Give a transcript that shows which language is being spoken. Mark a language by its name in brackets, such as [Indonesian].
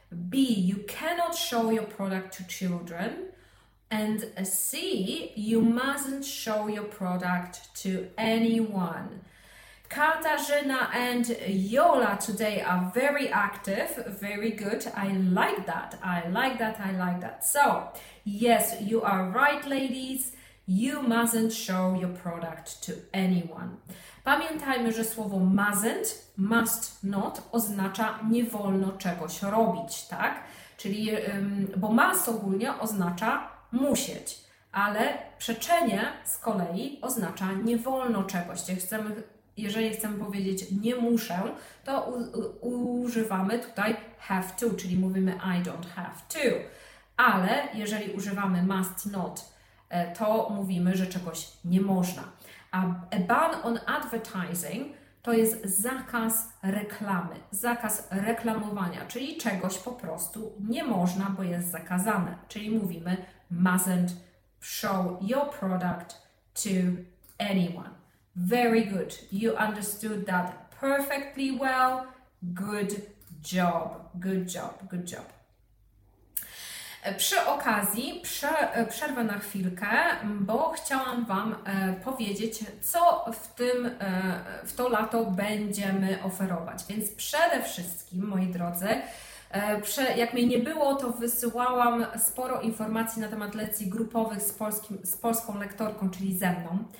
[English] B, you cannot show your product to children. And C, you mustn't show your product to anyone. Katarzyna and Jola today are very active, very good. I like that. I like that. I like that. So, yes, you are right, ladies. You mustn't show your product to anyone. [Polish] Pamiętajmy, że słowo mustn't, must not, oznacza nie wolno czegoś robić, tak? Czyli, bo must ogólnie oznacza musieć, ale przeczenie z kolei oznacza nie wolno czegoś. Jeżeli chcemy powiedzieć nie muszę, to używamy tutaj have to, czyli mówimy [English] I don't have to. [Polish] Ale jeżeli używamy must not, to mówimy, że czegoś nie można. A ban on advertising to jest zakaz reklamy, zakaz reklamowania, czyli czegoś po prostu nie można, bo jest zakazane. Czyli mówimy [English] mustn't show your product to anyone. Very good. You understood that perfectly well. Good job. Good job. Good job. [Polish] Przy okazji, przerwę na chwilkę, bo chciałam Wam powiedzieć, co w to lato będziemy oferować. Więc przede wszystkim, moi drodzy, jak mnie nie było, to wysyłałam sporo informacji na temat lekcji grupowych z polską lektorką, czyli ze mną.